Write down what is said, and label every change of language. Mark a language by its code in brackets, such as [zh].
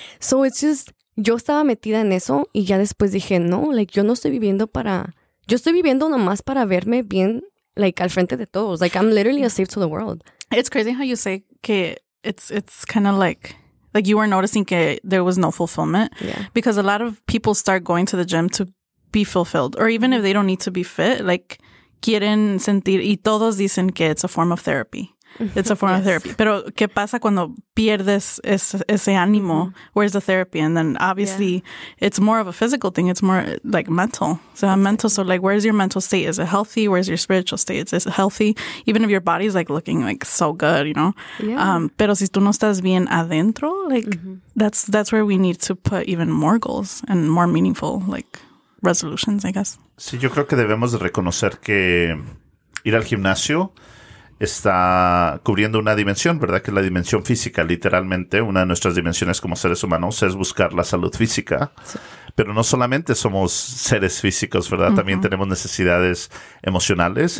[es] So it's just, yo estaba metida en eso, y ya después dije, no, like, yo no estoy viviendo para, yo estoy viviendo nomás para verme bien, like, al frente de todos. [en] Like, I'm literally a slave to the world. It's crazy how you say que it's kind of like you were noticing que there was no fulfillment. Yeah. Because a lot of people start going to the gym to be fulfilled, or even if they don't need to be fit, like, [es] quieren sentir, y todos dicen que [en] it's a form of therapy. It's a form yes. of therapy. [es] Pero, ¿qué pasa cuando pierdes ese ánimo? [en] Mm-hmm. Where's the therapy? And then, obviously, yeah. it's more of a physical thing. It's more, like, mental. So, exactly. mental. So, like, where's your mental state? Is it healthy? Where's your spiritual state? Is it healthy? Even if your body's, like, looking, like, so good, you know? Yeah. [es] Pero si tú no estás bien adentro, like, mm-hmm. [en] that's where we need to put even more goals and more meaningful, like, resolutions, I guess. [es] Sí, yo creo que debemos reconocer que ir al gimnasio está cubriendo una dimensión, ¿verdad? Que es la dimensión física. Literalmente, una de nuestras dimensiones como seres humanos es buscar la salud física. Sí. Pero no solamente somos seres físicos, ¿verdad? Uh-huh. También tenemos necesidades emocionales.